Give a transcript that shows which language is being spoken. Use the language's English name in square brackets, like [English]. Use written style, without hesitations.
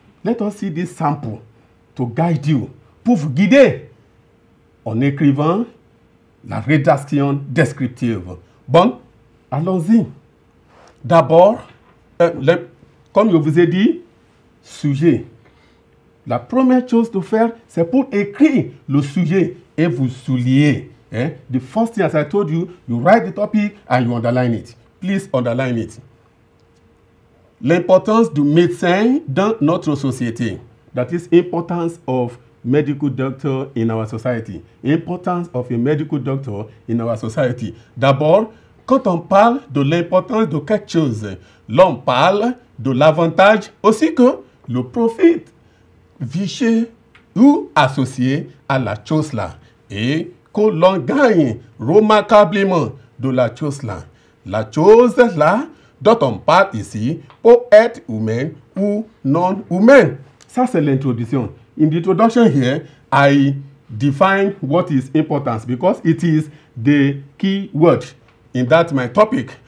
[English] Let us see this sample to guide you, [French] pour vous guider en écrivant la rédaction descriptive. Bon, allons-y. D'abord, comme je vous ai dit, sujet. La première chose de faire, c'est pour écrire le sujet et vous souligner. [English] The first thing, as I told you, you write the topic and you underline it. Please underline it. [French] L'importance du médecin dans notre société. [English] That is importance of medical doctor in our society. Importance of a medical doctor in our society. [French] D'abord, quand on parle de l'importance de quelque chose, l'on parle de l'avantage aussi que le profit viché ou associé à la chose là. Et que l'on gagne remarquablement de la chose là. La chose là dont on parle ici peut être humaine ou non humaine. Ça, c'est l'introduction. [English] In the introduction here, I define what is importance because it is the key word in that my topic.